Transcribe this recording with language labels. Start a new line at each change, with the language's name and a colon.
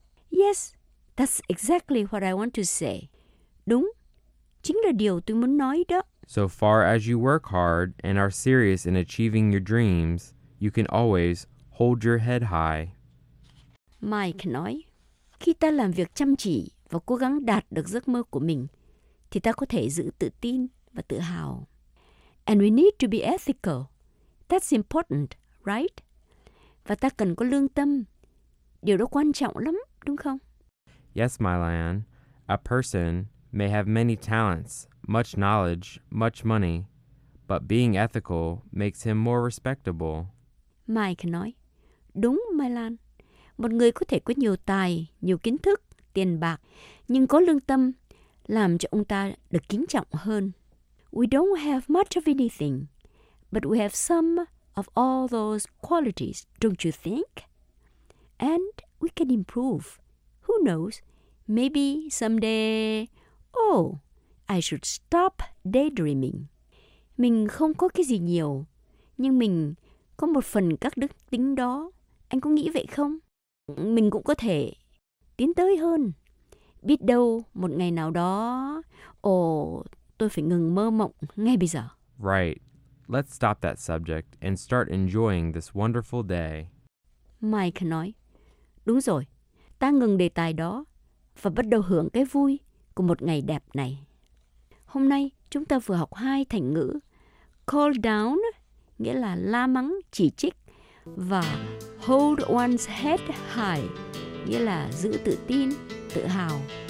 English: Yes, that's exactly what I want to say.
Vietnamese: Đúng, chính là điều tôi muốn nói đó.
English: So far as you work hard and are serious in achieving your dreams, you can always hold your head high.
Vietnamese: Mike nói, khi ta làm việc chăm chỉ và cố gắng đạt được giấc mơ của mình, thì ta có thể giữ tự tin và tự hào.
English: And we need to be ethical. That's important, right?
Vietnamese: Và ta cần có lương tâm. Điều đó quan trọng lắm, đúng không?
English: Yes, Mylan. A person may have many talents, much knowledge, much money, but being ethical makes him more respectable.
Vietnamese: Mike nói, đúng, Mylan. Một người có thể có nhiều tài, nhiều kiến thức, tiền bạc, nhưng có lương tâm làm cho ông ta được kính trọng hơn.
English: We don't have much of anything, but we have some of all those qualities, don't you think? And we can improve. Who knows? Maybe someday, oh, I should stop daydreaming.
Vietnamese: Mình không có cái gì nhiều, nhưng mình có một phần các đức tính đó. Anh có nghĩ vậy không? Mình cũng có thể tiến tới hơn. Biết đâu một ngày nào đó, tôi phải ngừng mơ mộng ngay bây giờ.
English: Right. Let's stop that subject and start enjoying this wonderful day.
Vietnamese: Mike nói, đúng rồi, ta ngừng đề tài đó và bắt đầu hưởng cái vui của một ngày đẹp này. Hôm nay chúng ta vừa học hai thành ngữ
English: call down,
Vietnamese: nghĩa là la mắng, chỉ trích, và
English: hold one's head high,
Vietnamese: nghĩa là giữ tự tin, tự hào.